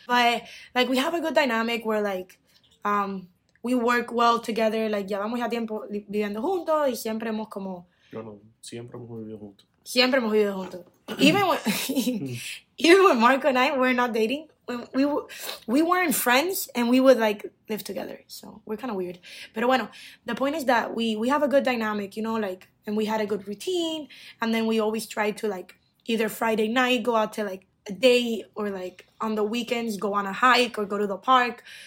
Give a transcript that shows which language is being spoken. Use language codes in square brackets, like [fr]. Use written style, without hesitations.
[en] But, like, we have a good dynamic where, like, we work well together. [es] Like, llevamos ya tiempo viviendo juntos y siempre hemos como... Siempre hemos vivido juntos. [en] Even when Marco and I were not dating, we weren't friends and we would, like, live together. So we're kind of weird. [es] Pero bueno, [en] the point is that we have a good dynamic, you know, like, and we had a good routine. And then we always tried to, like, either Friday night go out to, like, a date or, like, on the weekends go on a hike or go to the park.